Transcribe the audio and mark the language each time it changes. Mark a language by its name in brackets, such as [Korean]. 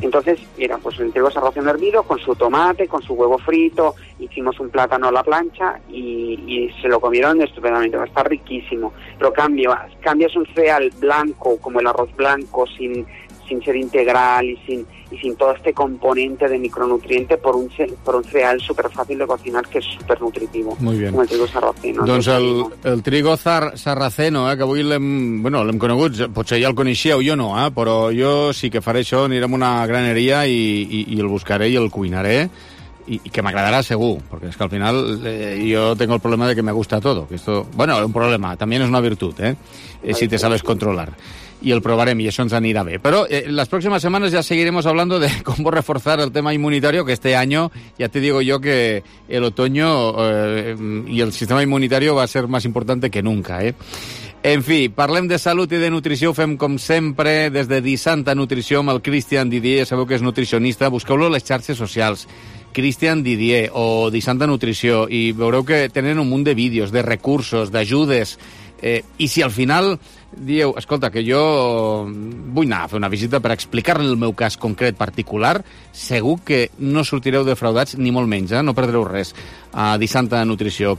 [Spanish] Entonces, mira, pues el trigo sarraceno hervido con su tomate, con su huevo frito, hicimos un plátano a la plancha y se lo comieron estupendamente. Está riquísimo. Pero cambias un cereal blanco, como el arroz blanco, sin ser integral y sin todo este componente de micronutriente por un cereal súper fácil de cocinar que es súper nutritivo. Muy bien. Como el trigo sarraceno. [Catalan] Doncs el trigo sarraceno, que avui l'hem conegut, potser ja el coneixeu, jo no, però jo sí que faré això, aniré a una graneria i el buscaré i el cuinaré. [Spanish] Y que me agradará seguro, porque es que al final yo tengo el problema de que me gusta todo. Que esto, bueno, un problema, también es una virtud, ¿eh? Si te sabes controlar. Y el probaremos, y eso nos anirá bien. Pero las próximas semanas ya seguiremos hablando de cómo reforzar el tema inmunitario, que este año, ya te digo yo, que el otoño y el sistema inmunitario va a ser más importante que nunca, ¿eh? [Catalan] En fi, parlem de salut i de nutrició, ho fem com sempre, des de Disanta Nutrició amb el Christian Didier, sabeu que és nutricionista, busqueu-lo a les xarxes socials, Christian Didier o Disanta Nutrició, i veureu que tenen un munt de vídeos, de recursos, d'ajudes, i si al final dieu, escolta, que jo vull anar a fer una visita per explicar-li el meu cas concret particular, segur que no sortireu defraudats ni molt menys, no perdreu res a Disanta Nutrició.